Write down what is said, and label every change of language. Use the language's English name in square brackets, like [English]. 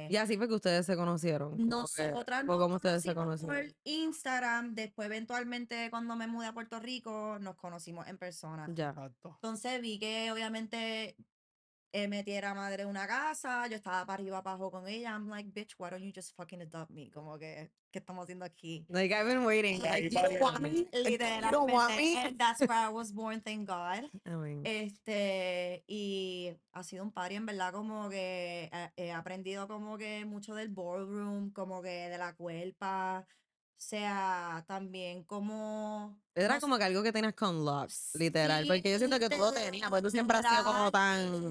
[Spanish] Y así fue que ustedes se conocieron. Nosotras. ¿O cómo ustedes se conocieron? Por Instagram, después eventualmente cuando me mudé a Puerto Rico, nos conocimos en persona. Ya. Entonces vi que obviamente metiera madre en una casa, yo estaba para arriba, para abajo con ella. [English] I'm like, bitch, why don't you just fucking adopt me? [Spanish] Como que, ¿qué estamos haciendo aquí? [English] Like, I've been waiting. Like, you don't want me? Literalmente. You don't want me? And that's where I was born, thank God. I mean. [Spanish] Y ha sido un party, en verdad, como que he aprendido como que mucho del ballroom, como que de la cuerpa. O sea, también como... Era como que algo que tenías con Lux, literal. Sí, porque yo siento que tú lo tenías, porque tú siempre has sido como tan...